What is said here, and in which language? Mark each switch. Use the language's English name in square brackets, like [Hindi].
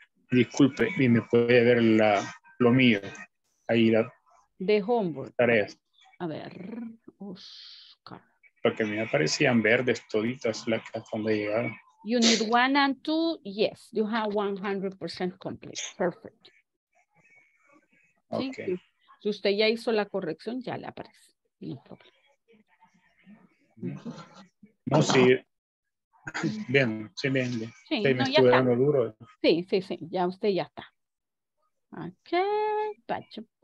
[Spanish] Disculpe, y me puede ver la, lo mío. Ahí la. De homework. Tareas. A ver. Oscar. Porque a mí me parecían verdes toditas las que hasta donde llegaron. [English] Unit one and two, yes, you have 100% complete. Perfect. Okay. ¿Sí? [Spanish] Si usted ya hizo la corrección, ya le aparece. [English] No problem. [Spanish] No, sí. Bien, sí, bien. Bien. Sí, usted me estuvo dando duro. Sí, sí, sí, ya usted ya está. Ok, pacho.